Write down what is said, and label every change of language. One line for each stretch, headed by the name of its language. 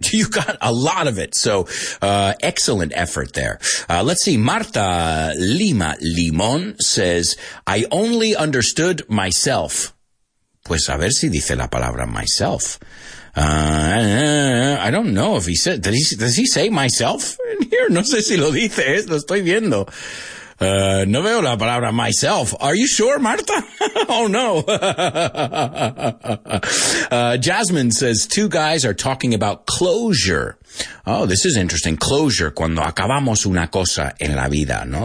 English: You got a lot of it. So excellent effort there. Let's see. Marta Lima Limon says, I only understood myself.
Spanish: Pues a ver si dice la palabra myself.
English: I don't know if he said, does he say myself in here?
Spanish: No sé si lo dice, lo estoy viendo. No veo la palabra myself. Are you sure, Marta?
English: Oh no. Jasmine says, two guys are talking about closure. Oh, this is interesting.
Spanish: Closure, cuando acabamos una cosa en la vida, ¿no?